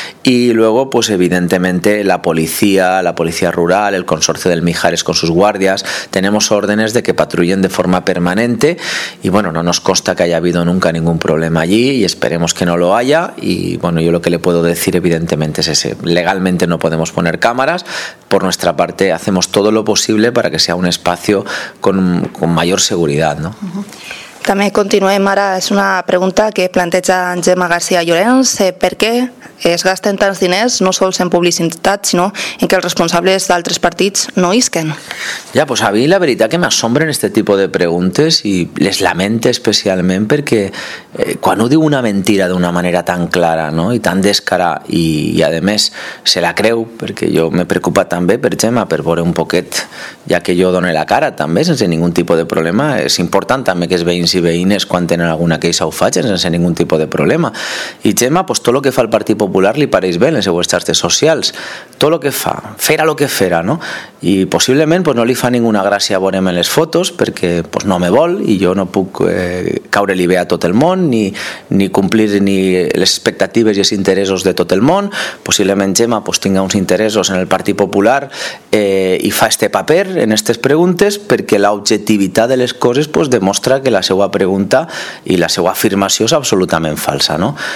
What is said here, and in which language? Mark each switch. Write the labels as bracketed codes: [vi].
[es] Y luego, pues evidentemente, la policía rural, el consorcio del Mijares con sus guardias, tenemos órdenes de que patrullen de forma permanente y, bueno, no nos consta que haya habido nunca ningún problema allí y esperemos que no lo haya. Y, bueno, yo lo que le puedo decir, evidentemente, es ese. Legalmente no podemos poner cámaras. Por nuestra parte, hacemos todo lo posible para que sea un espacio con mayor seguridad, ¿no? [ca] També continuem ara. És una pregunta que planteja Gemma García Llorenç. Per què es gasten tants diners, no sols en publicitat, sinó en que els responsables d'altres partits no isquen? Ja, pues a mi la veritat que m'assombren aquest tipus de preguntes i les lamento especialment perquè quan ho diu una mentira d'una manera tan clara, no?, i tan descara i a més se la creu, perquè jo me preocupa també per Gemma, per veure un poquet, ja que jo dono la cara també sense ningun tipus de problema. És important també que es veïn si veïnes quan tenen alguna queixa ho facin sense ningun tipus de problema. I Gemma, pues tot el que fa el Partit Popular li pareix bé en les seues xarxes socials. Tot el que fa, fera el que fera, no? I possiblement pues no li fa ninguna gràcia veure'm en les fotos perquè pues no me vol i jo no puc caure-li bé a tot el món ni complir ni les expectatives i els interessos de tot el món. Possiblement Gemma pues tinga uns interessos en el Partit Popular i fa este paper en aquestes preguntes perquè l'objectivitat de les coses pues demostra que la seva pregunta i la seva afirmació és absolutament falsa, no?